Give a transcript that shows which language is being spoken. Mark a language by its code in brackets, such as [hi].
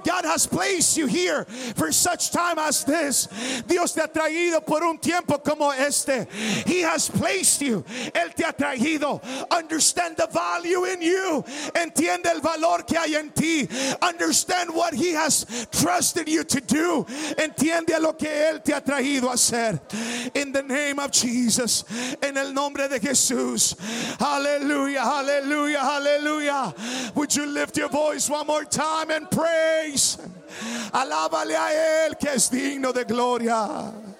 [en] God has placed you here for such time as this. [es] Dios te ha traído por un tiempo como este. [en] He has placed you. [es] Él te ha traído. [en] Understand the value in you. [es] Entiende el valor que hay en ti. [en] Understand what he has trusted you to do. [es] Entiende lo que él te ha traído a hacer. [en] In the name of Jesus, [es] en el nombre de Jesús. [en] Hallelujah, hallelujah, hallelujah. Would you lift your voice one more time and praise? [es] Alábale a él que es digno de gloria.